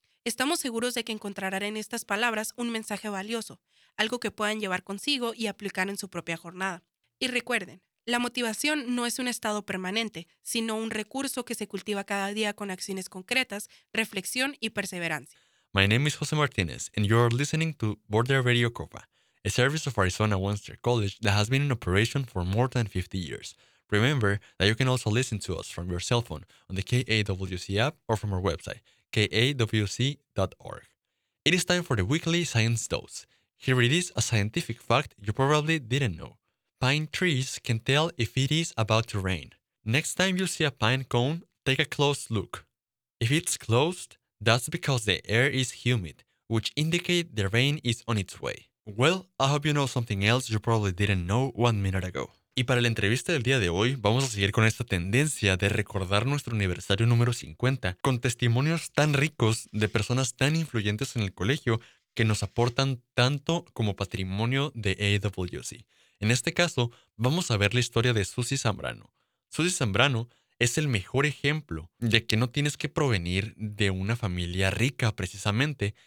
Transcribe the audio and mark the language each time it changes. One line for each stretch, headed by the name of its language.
Spanish: Estamos seguros de que encontrarán en estas palabras un mensaje valioso, algo que puedan llevar consigo y aplicar en su propia jornada. Y recuerden, la motivación no es un estado permanente, sino un recurso que se cultiva cada día con acciones concretas, reflexión y perseverancia.
English: My name is Jose Martinez, and you are listening to Border Radio COFA, a service of Arizona Western College that has been in operation for more than 50 years. Remember that you can also listen to us from your cell phone on the KAWC app or from our website, kawc.org. It is time for the weekly science dose. Here it is a scientific fact you probably didn't know. Pine trees can tell if it is about to rain. Next time you see a pine cone, take a close look. If it's closed, that's because the air is humid, which indicates the rain is on its way. Well, I hope you know something else you probably didn't know 1 minute ago.
Spanish: Y para la entrevista del día de hoy, vamos a seguir con esta tendencia de recordar nuestro aniversario número 50 con testimonios tan ricos de personas tan influyentes en el colegio que nos aportan tanto como patrimonio de AWC. En este caso, vamos a ver la historia de Susy Zambrano. Susy Zambrano es el mejor ejemplo de que no tienes que provenir de una familia rica, precisamente.